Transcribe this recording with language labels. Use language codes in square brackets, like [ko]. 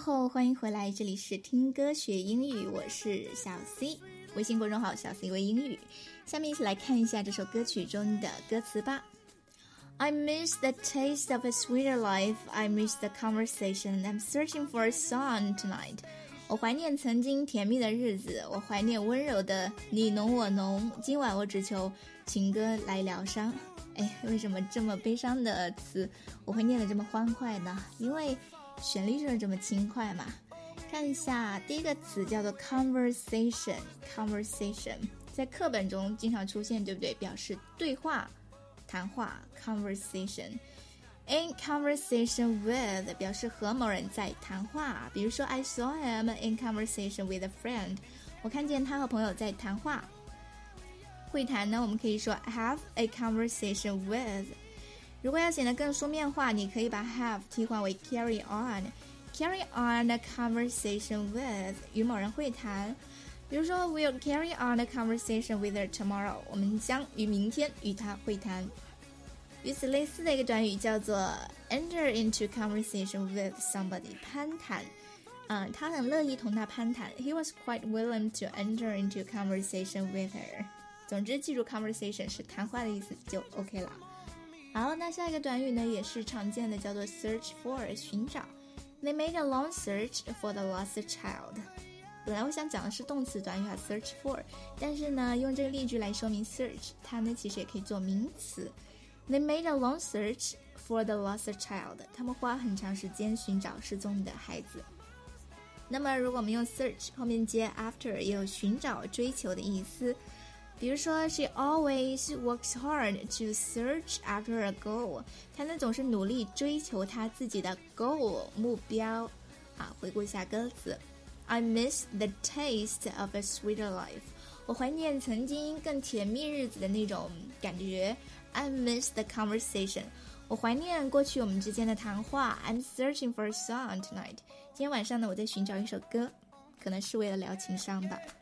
[zh] 欢迎回来，这里是听歌学英语，我是小 C， 微信公众号小 C 微英语。下面一起来看一下这首歌曲中的歌词吧。 [en] I miss the taste of a sweeter life. I miss the conversation. I'm searching for a song tonight. [zh] 我怀念曾经甜蜜的日子，我怀念温柔的你浓我浓，今晚我只求情歌来疗伤。哎，为什么这么悲伤的词我会念得这么欢快呢？因为旋律就是这么轻快嘛。看一下第一个词叫做 conversation， conversation 在课本中经常出现，对不对？表示对话谈话 conversation。 [en] In conversation with [zh] 表示和某人在谈话， [en] 比如说 I saw him in conversation with a friend， [zh] 我看见他和朋友在谈话。会谈呢，我们可以说 [en] have a conversation with。 [zh] 如果要显得更书面化，你可以把 have 替换为 carry on。 [en] Carry on a conversation with， [zh] 与某人会谈。比如说 [en] we'll carry on a conversation with her tomorrow， [zh] 我们将于明天与她会谈。与此类似的一个短语叫做 [en] enter into conversation with somebody， [zh] 攀谈。他很乐意同她攀谈。 [en] He was quite willing to enter into conversation with her。 [zh] 总之记住 conversation 是谈话的意思就 OK 了。好，那下一个短语呢也是常见的，叫做 search for， 寻找。 [en] They made a long search for the lost child。 [zh] 本来我想讲的是动词短语啊 search for， 但是呢用这个例句来说明 search， 它呢其实也可以做名词。 [en] They made a long search for the lost child， [zh] 他们花很长时间寻找失踪的孩子。那么如果我们用 search 后面接 after， 也有寻找追求的意思。比如说 [en] she always works hard to search after a goal， [zh] 她呢总是努力追求她自己的 [en] goal [zh] 目标。啊，回顾一下歌词， [en] I miss the taste of a sweeter life， [zh] 我怀念曾经更甜蜜日子的那种感觉。 [en] I miss the conversation， [zh] 我怀念过去我们之间的谈话。 [en] I'm searching for a song tonight， [zh] 今天晚上呢我在寻找一首歌，可能是为了聊情商吧。